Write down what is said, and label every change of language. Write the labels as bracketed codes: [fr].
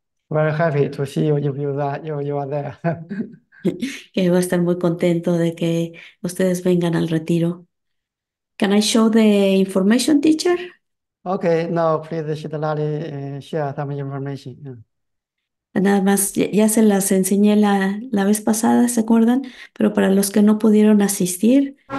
[en] Very happy to see you if you that you are there. [es] Que va a estar muy contento de que ustedes vengan al retiro. [en] Can I show the information, teacher? Okay, now please share some information. [es] Nada más, ya se las enseñé la vez pasada, ¿se acuerdan? Pero para los que no pudieron asistir.